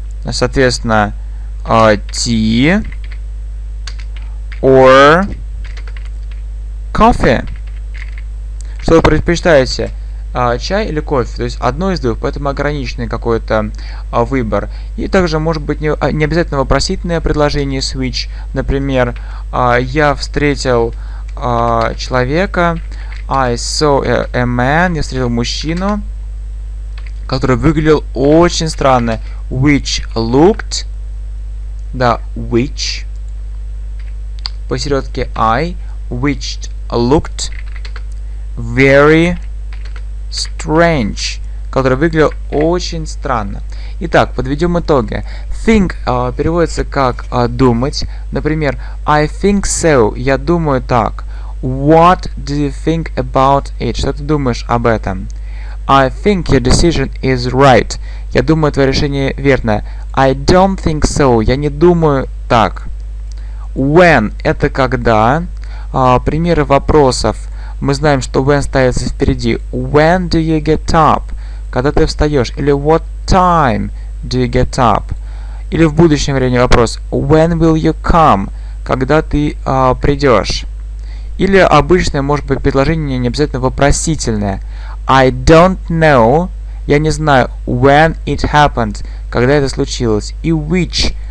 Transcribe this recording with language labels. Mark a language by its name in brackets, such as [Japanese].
[Russian] Соответственно, [English] tea or coffee. [Russian] Что вы предпочитаете? Чай или кофе? То есть одно из двух, поэтому ограниченный какой-то выбор. И также может быть не обязательно вопросительное предложение switch. Например, я встретил человека. [English] I saw a man. [Russian] Я встретил мужчину, который выглядел очень странно. [English] Which looked. [Russian] Да, [English] which. [Russian] Посередке I. [English] Which looked very strange. [Russian] Который выглядел очень странно. Итак, подведем итоги. Think переводится как думать. Например, [English] I think so. [Russian] Я думаю так. [English] What do you think about it? [Russian] Что ты думаешь об этом? [English] I think your decision is right. [Russian] Я думаю, твое решение верно. [English] I don't think so. [Russian] Я не думаю так. When – это когда. Примеры вопросов. Мы знаем, что when ставится впереди. [English] When do you get up? [Russian] Когда ты встаешь? Или [English] what time do you get up? [Russian] Или в будущем времени вопрос. [English] When will you come? [Russian] Когда ты придешь? Или обычное, может быть, предложение, не обязательно вопросительное. [English] I don't know. [Russian] Я не знаю. [English] When it happened. [Russian] Когда это случилось. И which.